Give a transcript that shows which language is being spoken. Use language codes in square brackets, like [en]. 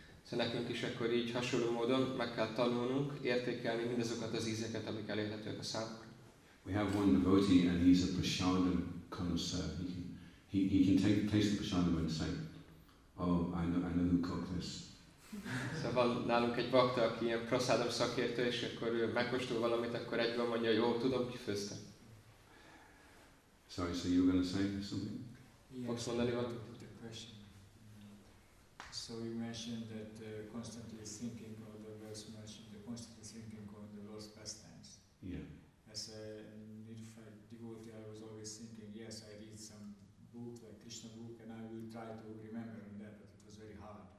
[hu] So nekünk is akkor így hasonló módon meg kell tanulnunk értékelni mindazokat az ízeket, amik elérhetők a számunkra. [en] We have one devotee, and he's a prasadam connoisseur. He can taste the prasadam and say, "Oh, I know who cooked this." [hu] So van nálunk egy bakta, aki ilyen prasadam szakértő, és akkor ő megkóstol valamit, akkor egyből mondja, jó, tudom, ki főzte. [en] Sorry, so you were going to say something? [hu] Fogsz mondani valamit? [en] So you mentioned that constantly thinking of the Lord's pastimes. Yeah. As a nidified devotee, I was always thinking, yes, I read some book, like Krishna book, and I will try to remember on that, but it was very hard.